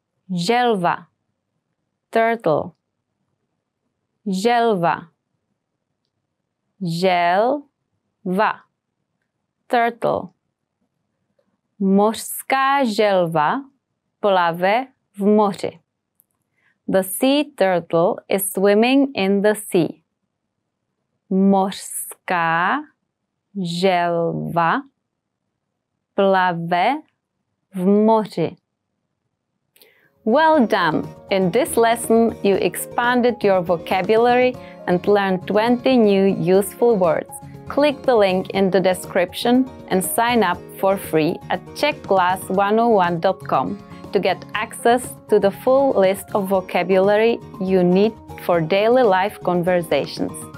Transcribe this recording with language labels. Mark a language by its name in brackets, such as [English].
[Czech] Želva. [English] Turtle. [Czech] Želva. Želva. [English] Turtle. [Czech] Mořská želva plave v moři. [English] The sea turtle is swimming in the sea. [Czech] Mořská želva plave v moři. [English] Well done! In this lesson, you expanded your vocabulary and learned 20 new useful words. Click the link in the description and sign up for free at czechclass101.com to get access to the full list of vocabulary you need for daily life conversations.